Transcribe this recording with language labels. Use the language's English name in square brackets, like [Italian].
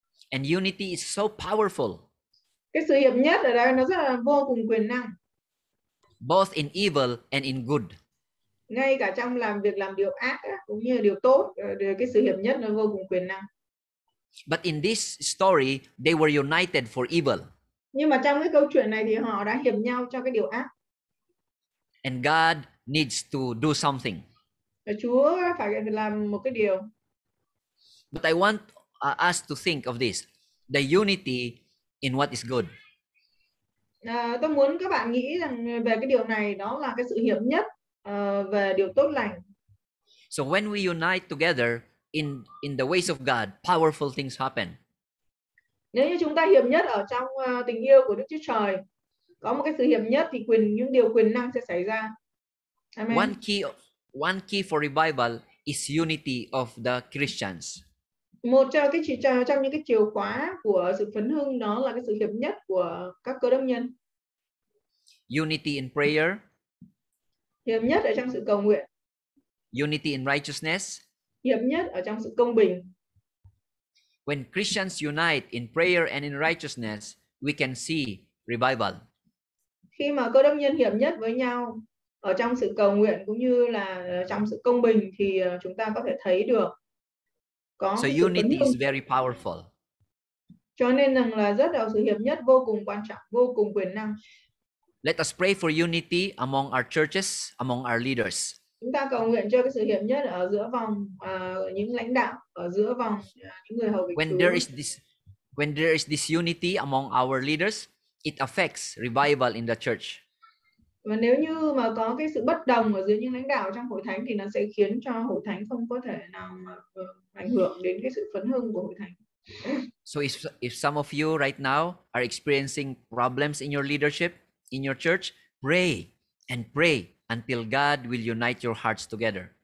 [English] And unity is so powerful. [Vietnamese] Cái sự hiệp nhất ở đây nó rất là vô cùng quyền năng. [English] Both in evil and in good. [Vietnamese] Ngay cả trong làm việc làm điều ác cũng như điều tốt, cái sự hiệp nhất nó vô cùng quyền năng. [English] But in this story, they were united for evil. [Vietnamese] Nhưng mà trong cái câu chuyện này thì họ đã hiệp nhau cho cái điều ác. [English] And God needs to do something. [Vietnamese] Chúa phải làm một cái điều. [English] But I want us to think of this, the unity in what is good. [Vietnamese] Tôi muốn các bạn nghĩ rằng về cái điều này, đó là cái sự hiệp nhất về điều tốt lành. [English] So when we unite together in the ways of God, powerful things happen. [Vietnamese] Nếu như chúng ta hiệp nhất ở trong tình yêu của Đức Chúa Trời, có một cái sự hiệp nhất thì những điều quyền năng sẽ xảy ra. [English] Amen. One key for revival is unity of the Christians. [Vietnamese] Một trong cái trong những cái chìa khóa của sự phấn hưng đó là cái sự hiệp nhất của các Cơ Đốc nhân. [English] Unity in prayer. [Vietnamese] Hiệp nhất ở trong sự cầu nguyện. [English] Unity in righteousness. [Vietnamese] Hiệp nhất ở trong sự công bình. [English] When Christians unite in prayer and in righteousness, we can see revival. [Vietnamese] Khi mà Cơ Đốc nhân hiệp nhất với nhau ở trong sự cầu nguyện cũng như là trong sự công bình thì chúng ta có thể thấy được. [English] So unity is very powerful. [Vietnamese] Cho nên rằng là rất là sự hiệp nhất vô cùng quan trọng, vô cùng quyền năng. [English] Let us pray for unity among our churches, among our leaders. [Vietnamese] Chúng ta cầu nguyện cho cái sự hiệp nhất ở giữa vòng những lãnh đạo, ở giữa vòng những người hầu việc [English] Chúa. When there is this When there is disunity among our leaders, it affects revival in the church. [Vietnamese] Và nếu như mà có cái sự bất đồng ở dưới những lãnh đạo trong hội thánh thì nó sẽ khiến cho hội thánh không có thể nào mà ảnh hưởng đến cái sự phấn hưng của hội thánh. [English] So if some of you right now are experiencing problems in your leadership in your church, pray and pray until God will unite your hearts together.